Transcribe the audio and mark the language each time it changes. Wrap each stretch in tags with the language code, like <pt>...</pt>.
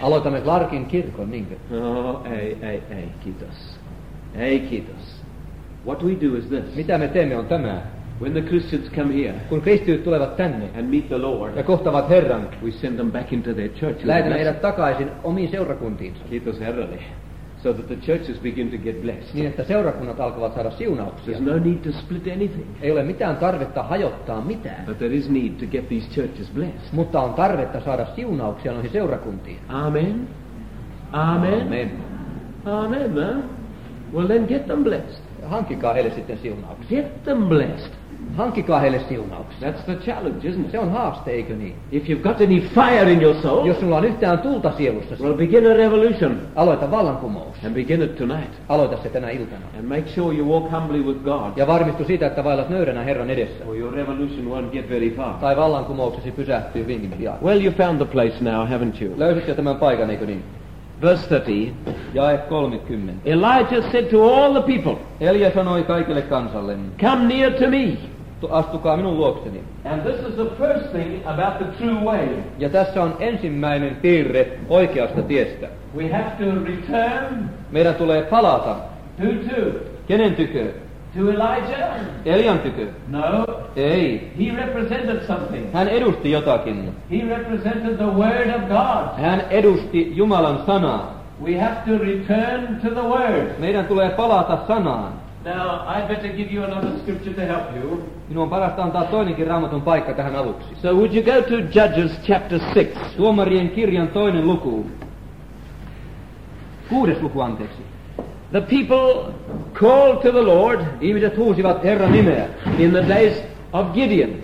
<fi>Aloitamme Clarkin kirkon, niinkö? Ei, kiitos. Ei, kiitos.</fi> <en>What we do is this.</en> <fi>Mitä me teemme on tämä.</fi> <en>When the Christians come here,</en> <fi>kun kristityt tulevat tänne</fi> <en>and meet the Lord,</en> <fi>ja kohtavat Herran,</fi> <en>we send them back into their church.</en> <fi>Lähetämme heidät takaisin omiin seurakuntiinsa. Kiitos Herralle.</fi> <en>So that the churches begin to get blessed.</en> <fi>Niin että seurakunnat alkavat saada siunauksia.</fi> <en>There's no need to split anything.</en> <fi>Ei ole mitään tarvetta hajottaa mitään.</fi> <en>But there is need to get these churches blessed.</en> <fi>Mutta on tarvetta saada siunauksia noihin seurakuntiin.</fi> <en>Amen. Amen. Amen. Amen. Huh? Well then get them blessed.</en> <fi>Hankikaa heille sitten siunauksia.</fi> <en>Get them blessed.</en> <fi>Hankikaa heille siunauksia.</fi> <en>That's the challenge, isn't it?</en> <fi>Se on haaste, eikö niin?</fi> <en>If you've got any fire in your soul,</en> <fi>jos sulla on yhtään tulta sielussasi,</fi> <en>well, begin a revolution.</en> <fi>Aloita vallankumous.</fi> <en>And begin it tonight.</en> <fi>Aloita se tänä iltana.</fi> <en>And make sure you walk humbly with God.</en> <fi>Ja varmistu siitä, että vaellat nöyränä Herran edessä.</fi> <en>Or your revolution won't get very far.</en> <fi>Tai vallankumouksesi pysähtyy hyvinkin pian.</fi> <en>Well, you found the place now, haven't you?</en> <fi>Löysit jo tämän paikan, eikö niin?</fi> <en>Verse 30.</en> <fi>Jae 30.</fi> <en>Elijah said to all the people.</en> <fi>Elia sanoi kaikille kansalle.</fi> <en>Come near to me.</en> <fi>Astukaa minun luokseni.</fi> <en>And this is the first thing about the true way.</en> <fi>Ja tässä on ensimmäinen piirre oikeasta tiestä.</fi> <en>We have to return.</en> <fi>Meidän tulee palata.</fi> <en>Who to?</en> <fi>Kenen tykö?</fi> <en>To Elijah.</en> <fi>Elian tykö?</fi> <en>No.</en> <fi>Ei.</fi> <en>He represented something.</en> <fi>Hän edusti jotakin.</fi> <en>He represented the word of God.</en> <fi>Hän edusti Jumalan sanaa.</fi> <en>We have to return to the word.</en> <fi>Meidän tulee palata sanaan.</fi> <en>Now, I better give you another scripture to help you.</en> <fi>Minun on parasta antaa toinenkin raamatun paikka tähän aluksi.</fi> <en>So would you go to Judges chapter 6?</en> <fi>Tuomarien kirjan toinen luku. Kuudes luku, anteeksi.</fi> <en>The people called to the Lord.</en> <fi>Ihmiset huusivat Herran nimeä.</fi> <en>In the days of Gideon.</en>